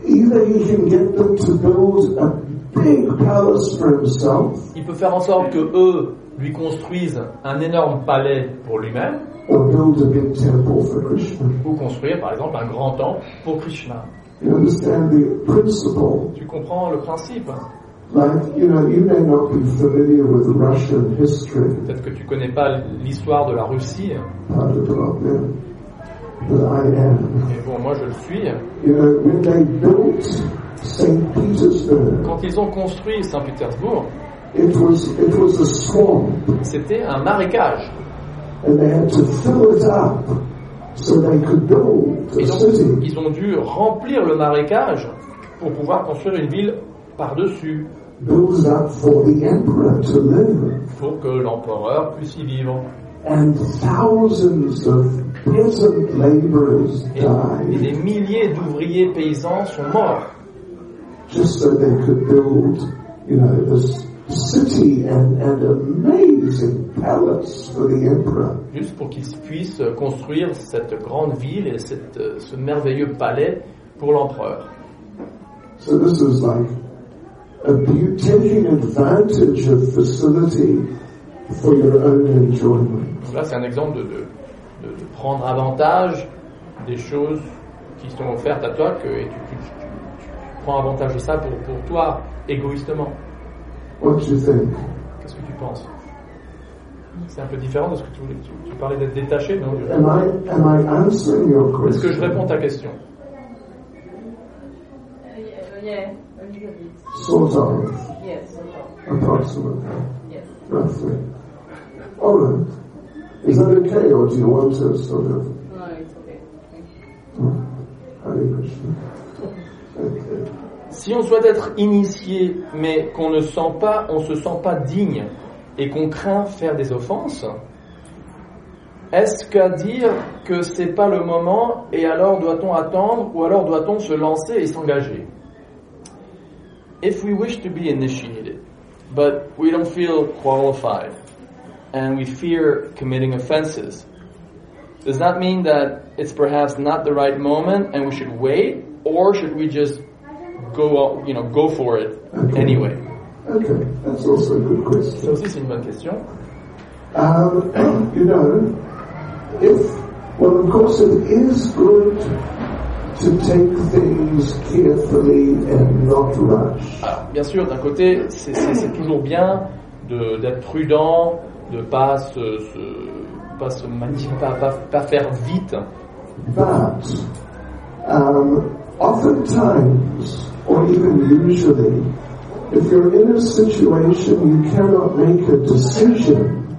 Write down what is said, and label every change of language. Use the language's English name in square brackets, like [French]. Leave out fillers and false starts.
[English] Either he can get them to build a big palace for himself. [French] Il peut faire en sorte que eux lui construisent un énorme palais pour lui-même. [English] Or build a big temple for Krishna. [French] Ou construire, par exemple, un grand temple pour Krishna. [English] You understand the principle? [French] Tu comprends le principe? [English] Like, you know, you may not be familiar with Russian history. [French] Peut-être que tu ne connais pas l'histoire de la Russie. [English] Not at all, yeah. But I am. [French] Mais bon, moi je le suis. [English] You know, when they built Saint Petersburg, [French] quand ils ont construit Saint-Pétersbourg, [English] it was a swamp. [French] C'était un marécage. [English] And they had to fill it up so they could build a city. [French] Ils ont dû remplir le marécage pour pouvoir construire une ville par-dessus. [English] Build up for the emperor to live. [French] Pour que l'empereur puisse y vivre. [English] And thousands of peasant laborers died. [French] Et des milliers d'ouvriers paysans sont morts. [English] Just so they could build, you know, this city and amazing palace for the emperor. [French] Juste pour qu'ils puissent construire cette grande ville et ce merveilleux palais pour l'empereur. [English] So this is like taking advantage of facility for your own enjoyment. [French] Là, c'est un exemple de prendre avantage des choses qui sont offertes à toi et tu prends avantage de ça pour toi égoïstement. [English] What do you think? [French] Qu'est-ce que tu penses? C'est un peu différent de ce que tu voulais. Tu parlais d'être détaché, non? [English] Am I answering your question? [French] Est-ce que je réponds ta question? [English] Yeah, a little bit. Sort of. Yes, sort of. Approximately. Yes. Roughly. All right. Is that okay, or do you want to sort of? No, it's okay. Thank you. Hare Krishna. [French] Si on souhaite être initié, mais qu'on ne sent pas, on se sent pas digne et qu'on craint faire des offenses, est-ce qu'à dire que c'est pas le moment et alors doit-on attendre ou alors doit-on se lancer et s'engager? [English] If we wish to be initiated, but we don't feel qualified and we fear committing offenses, does that mean that it's perhaps not the right moment and we should wait, or should we just go for it anyway. Okay, that's also a good question. [French] Ça aussi c'est une bonne question. [English] You know, if, well, of course, it is good to take things carefully and not rush. [French] Alors, bien sûr, d'un côté, c'est toujours bien d'être prudent, de pas faire vite. [English] But oftentimes, or even usually, if you're in a situation you cannot make a decision.